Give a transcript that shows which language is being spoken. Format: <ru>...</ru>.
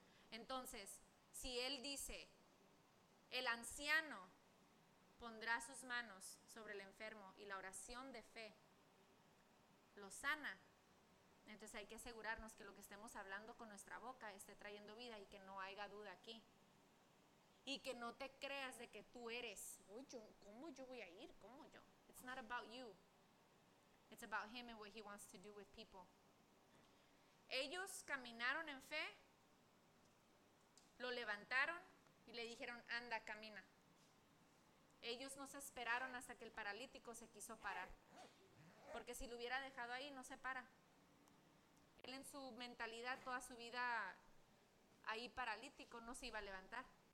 <es>Entonces, si él dice, el anciano pondrá sus manos sobre el enfermo y la oración de fe lo sana. Entonces hay que asegurarnos que lo que estemos hablando con nuestra boca esté trayendo vida y que no haya duda aquí. Y que no te creas de que tú eres. Uy, yo, ¿cómo yo voy a ir? ¿Cómo yo?</es> <en>It's not about you. It's about him and what he wants to do with people.</en> <es>Ellos caminaron en fe, lo levantaron y le dijeron, anda, camina. Ellos no se esperaron hasta que el paralítico se quiso parar. Porque si lo hubiera dejado ahí, no se para. Él en su mentalidad, toda su vida ahí paralítico, no se iba a levantar.</es>